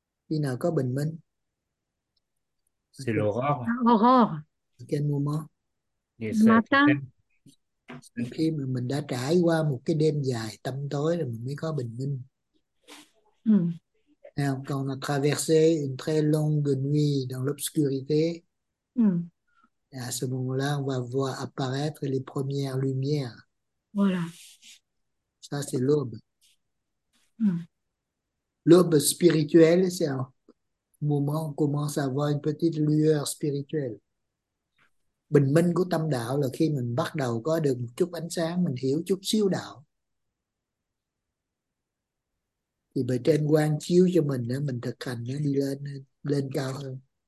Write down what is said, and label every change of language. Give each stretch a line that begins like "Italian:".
Vietnamese: Khi nào có bình minh? À,
French: C'est l'aurore. Aurore. quel moment? Matin.
Vietnamese: Khi mà mình đã trải qua một cái đêm dài tăm tối rồi mình mới có bình minh.
French: Nào, quand on a traversé une très longue nuit dans l'obscurité, à ce moment-là, on va voir apparaître les premières lumières. Voilà. Ça, c'est l'aube. L'aube spirituelle, c'est un moment où on commence à avoir une petite lueur spirituelle.
Vietnamese: Bình minh của tâm đạo là khi mình bắt đầu có được một chút ánh sáng, mình hiểu chút xíu đạo. Thì bề trên quang chiếu cho mình, để mình thực hành nó đi lên lên cao hơn.